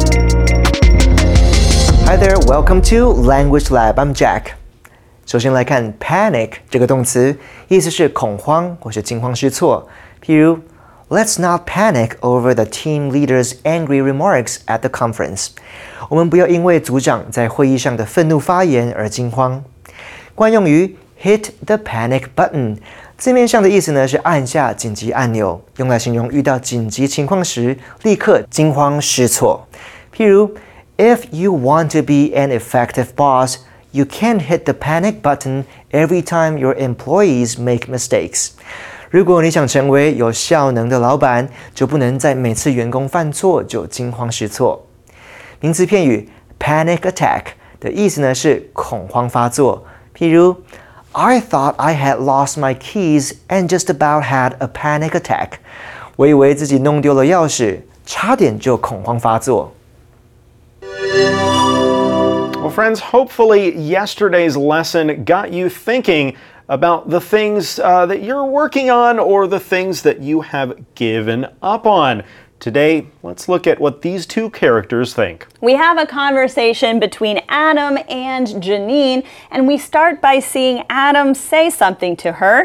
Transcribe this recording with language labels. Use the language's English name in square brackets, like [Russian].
[English] Hi there, welcome to Language Lab, I'm Jack. [Chinese] 首先来看 panic 这个动词，意思是恐慌或是惊慌失措。譬如 [English] ,Let's not panic over the team leader's angry remarks at the conference. [Chinese] 我们不要因为组长在会议上的愤怒发言而惊慌。惯用于 hit the panic button, 字面上的意思呢是按下紧急按钮，用来形容遇到紧急情况时立刻惊慌失措。譬如 [English] ,If you want to be an effective boss, you can't hit the panic button every time your employees make mistakes. [Chinese] 如果你想成为有效能的老板，就不能在每次员工犯错就惊慌失措。名词片语 panic attack 的意思呢是恐慌发作。譬如 [English] ，I thought I had lost my keys and just about had a panic attack。 [Chinese] 我以为自己弄丢了钥匙，差点就恐慌发作。 [English] Well, friends, hopefully yesterday's lesson got you thinking. About the things that you're working on or the things that you have given up on. Today, let's look at what these two characters think. We have a conversation between Adam and Janine, and we start by seeing Adam say something to her.